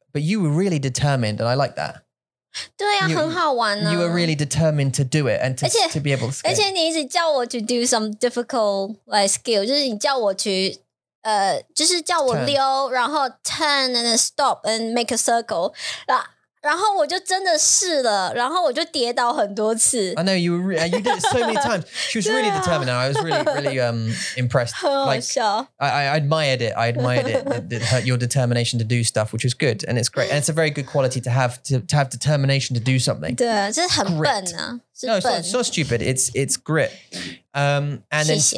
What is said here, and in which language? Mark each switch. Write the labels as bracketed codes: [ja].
[en] But you were really determined and I like that. [zh] 对啊,很好玩啊. [en] You were really determined to do it and to be able to skate. [zh] 而且你一直叫我 [en] to do some difficult like skill. [zh] 就是你叫我 to... 就是叫我溜, turn. [en] 然后 turn and then stop and make a circle. [zh] 然后我就真的试了, 然后我就跌倒很多次. [en] I know, you did it so many times. She was really determined and I was really, really impressed. [zh] 很好笑. [en] Like, I admired it. I admired it, your determination to do stuff, which is good. And it's great. And it's a very good quality to have, to have determination to do something. [zh] 对,这是很笨啊。 [en] No, it's not stupid. It's grit. And then 谢谢.